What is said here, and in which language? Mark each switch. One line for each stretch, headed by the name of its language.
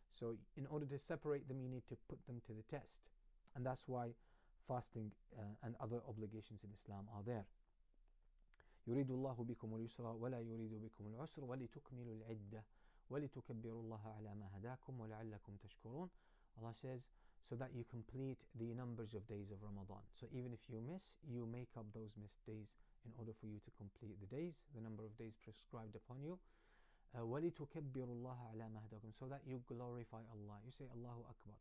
English: So in order to separate them, you need to put them to the test. And that's why fasting and other obligations in Islam are there.
Arabic: يريد الله بكم اليسر ولا يريد بكم العسر ولتكملوا العدة ولتكبروا الله على ما هداكم ولعلكم تشكرون.
English: Allah says, so that you complete the numbers of days of Ramadan. So even if you miss, you make up those missed days in order for you to complete the days, the number of days prescribed upon you.
Arabic: ولتكبروا الله على ما هداكم,
English: so that you glorify Allah. You say Allahu Akbar.